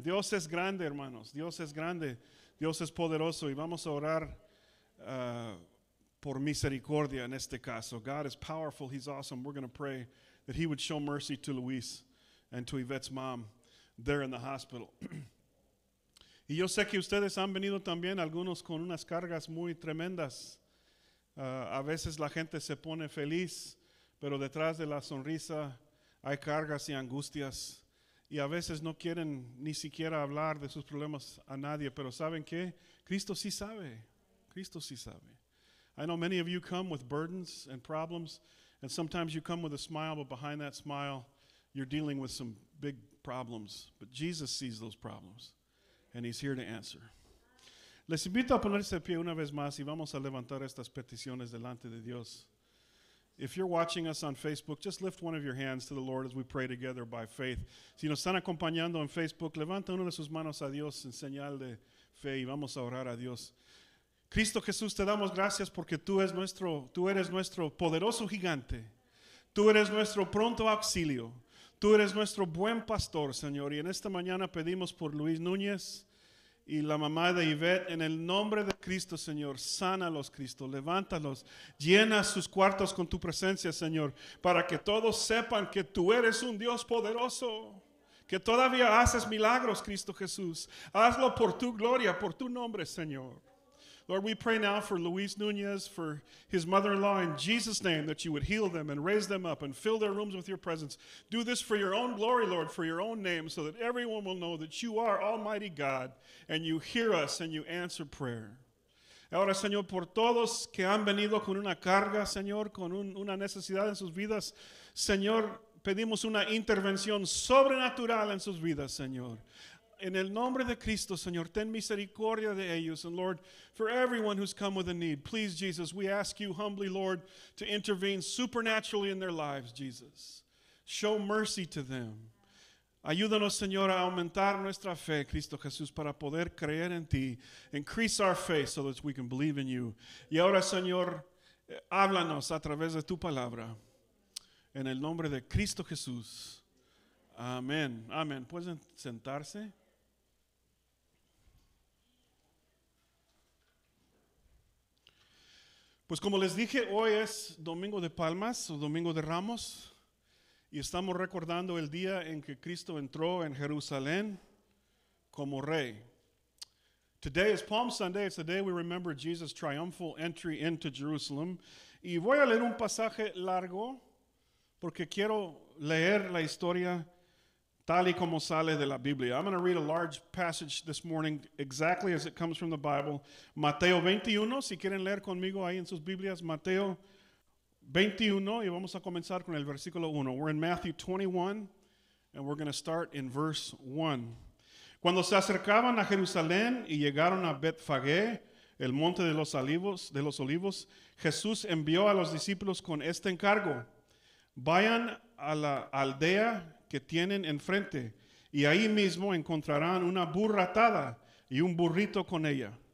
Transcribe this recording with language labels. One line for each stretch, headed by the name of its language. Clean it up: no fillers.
Spanish: Dios es grande, hermanos. Dios es grande. Dios es poderoso. Y vamos a orar por misericordia en este caso.
English: God is powerful. He's awesome. We're going to pray that he would show mercy to Luis and to Yvette's mom there in the hospital.
Spanish: Y yo sé que ustedes han venido también, algunos con unas cargas muy tremendas. A veces la gente se pone feliz, pero detrás de la sonrisa hay cargas y angustias. Y a veces no quieren ni siquiera hablar de sus problemas a nadie. Pero ¿saben qué? Cristo sí sabe. Cristo sí sabe.
English: I know many of you come with burdens and problems. And sometimes you come with a smile, but behind that smile, you're dealing with some big problems. But Jesus sees those problems. And he's here to answer.
Spanish: Les invito a ponerse de pie una vez más y vamos a levantar estas peticiones delante de Dios.
English: If you're watching us on Facebook, just lift one of your hands to the Lord as we pray together by faith.
Spanish: Si nos están acompañando en Facebook, levanta una de sus manos a Dios en señal de fe y vamos a orar a Dios. Cristo Jesús, te damos gracias porque tú eres nuestro poderoso gigante. Tú eres nuestro pronto auxilio. Tú eres nuestro buen pastor, Señor. Y en esta mañana pedimos por Luis Núñez y la mamá de Yvette, en el nombre de Cristo, Señor, sánalos, Cristo, levántalos, llena sus cuartos con tu presencia, Señor, para que todos sepan que tú eres un Dios poderoso, que todavía haces milagros, Cristo Jesús. Hazlo por tu gloria, por tu nombre, Señor.
English: Lord, we pray now for Luis Núñez, for his mother-in-law, in Jesus' name, that you would heal them and raise them up and fill their rooms with your presence. Do this for your own glory, Lord, for your own name, so that everyone will know that you are Almighty God and you hear us and you answer prayer.
Spanish: Ahora, Señor, por todos que han venido con una carga, Señor, con una necesidad en sus vidas, Señor, pedimos una intervención sobrenatural en sus vidas, Señor. En el nombre de Cristo, Señor, ten misericordia de ellos.
English: And Lord, for everyone who's come with a need, please, Jesus, we ask you humbly, Lord, to intervene supernaturally in their lives, Jesus. Show mercy to them.
Spanish: Ayúdanos, Señor, a aumentar nuestra fe, Cristo Jesús, para poder creer en ti.
English: Increase our faith so that we can believe in you.
Spanish: Y ahora, Señor, háblanos a través de tu palabra. En el nombre de Cristo Jesús. Amén. Amén. ¿Pueden sentarse? Pues como les dije, hoy es Domingo de Palmas o Domingo de Ramos y estamos recordando el día en que Cristo entró en Jerusalén como rey.
English: Today is Palm Sunday. It's the day we remember Jesus' triumphal entry into Jerusalem.
Spanish: Y voy a leer un pasaje largo porque quiero leer la historia tal y como sale de la Biblia.
English: I'm going to read a large passage this morning, exactly as it comes from the Bible.
Spanish: Mateo 21, si quieren leer conmigo ahí en sus Biblias, Mateo 21, y vamos a comenzar con el versículo 1.
English: We're in Matthew 21, and we're going to start in verse 1.
Spanish: Cuando se acercaban a Jerusalén y llegaron a Betfagé, el monte de los olivos, Jesús envió a los discípulos con este encargo: vayan a la aldea que tienen enfrente, y ahí mismo encontrarán una burra atada y un burrito con ella.